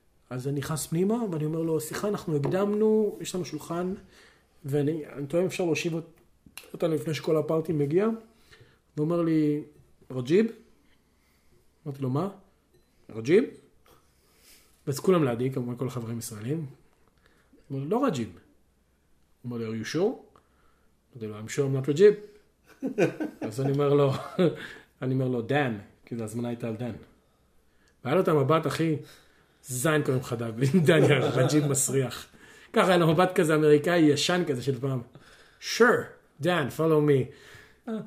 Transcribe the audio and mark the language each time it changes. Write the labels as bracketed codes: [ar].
[he] אז אני נכנס פנימה ואני אומר לו, סליחה, אנחנו הקדמנו, יש לנו שולחן, ואני טועה אם אפשר להושיב אותנו לפני שכל הפארטי מגיע, ואומר לי, רג'יב? אמרתי לו, מה? רג'יב? ואז כולם לידי, כמובן כל החברים ישראלים. הוא אומר, לא רג'יב. הוא אומר, [en] are you sure? [he] אני אומר, [en] I'm sure I'm not [he] רג'יב. אז אני אומר לו, דן, כי זה הזמנה הייתה על דן. והיה לו את המבט, אחי, זין קוראים חדה, דן היה רג'יב מסריח. ככה היה לו מבט כזה אמריקאי ישן כזה של פעם. [en] Sure, Dan, follow me.